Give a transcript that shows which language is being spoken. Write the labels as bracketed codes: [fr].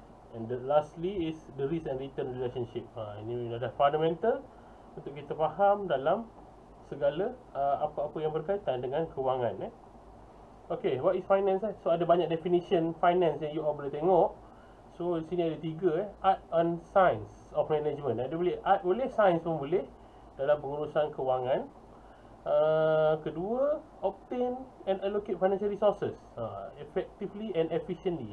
[en] And the lastly is the risk and return relationship. [ms] Ha, ini adalah fundamental untuk kita faham dalam segala apa-apa yang berkaitan dengan kewangan eh. [en] Okay, what is finance eh? [ms] So ada banyak definition finance yang you all boleh tengok. So sini ada 3 eh, [en] art and science of management. [ms] Ada boleh art boleh, science pun boleh dalam pengurusan kewangan. Kedua, [en] obtain and allocate financial resources effectively and efficiently.